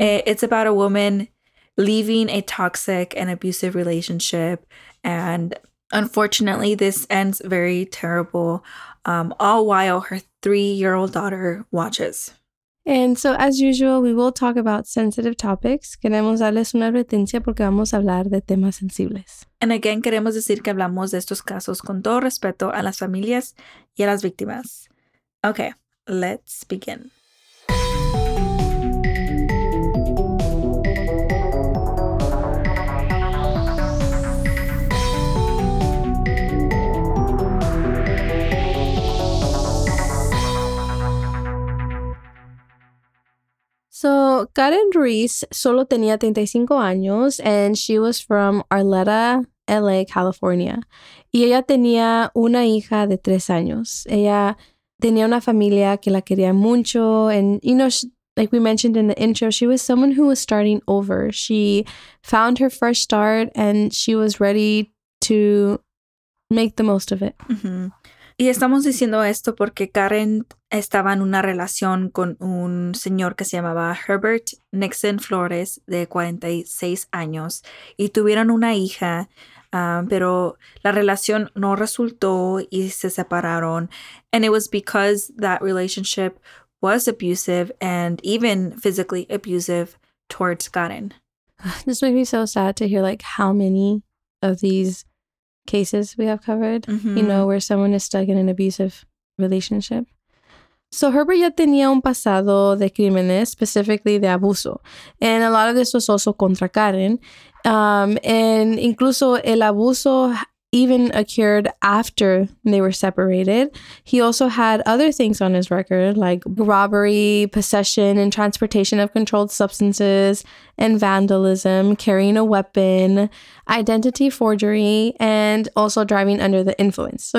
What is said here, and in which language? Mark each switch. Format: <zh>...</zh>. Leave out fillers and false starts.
<en>It's about a woman leaving a toxic and abusive relationship. And unfortunately, this ends very terrible, all while her 3-year-old daughter watches. And so, as usual, we will talk about sensitive topics.</en> <es>Queremos darles una advertencia porque vamos a hablar de temas sensibles.</es> <en>And again,</en> <es>queremos decir que hablamos de estos casos con todo respeto a las familias y a las víctimas.</es> <en>Okay, let's begin. So Karen Ruiz</en> <es>solo tenía 35 años</es> <en>and she was from Arleta, LA, California.</en> <es>Y ella tenía una hija de 3 años. Ella tenía una familia que la quería mucho.</es> <en>And, you know, like we mentioned in the intro, she was someone who was starting over. She found her first start and she was ready to make the most of it. Mm-hmm.</en> <es>Y estamos diciendo esto porque Karen estaba en una relación con un señor que se llamaba Herbert Nixon Flores, de 46 años, y tuvieron una hija, pero la relación no resultó y se separaron.</es> <en>And it was because that relationship was abusive and even physically abusive towards Karen. This makes me so sad to hear like how many of these cases we have covered, mm-hmm. you know, where someone is stuck in an abusive relationship.</en> <es>So Herbert ya tenía un pasado de crímenes,</es> <en>specifically</en> <es>de abuso.</es> <en>And a lot of this was also contra Karen. And</en> <es>incluso el abuso</es> <en>even occurred after they were separated. He also had other things on his record, like robbery, possession, and transportation of controlled substances, and vandalism, carrying a weapon, identity forgery, and also driving under the influence.</en>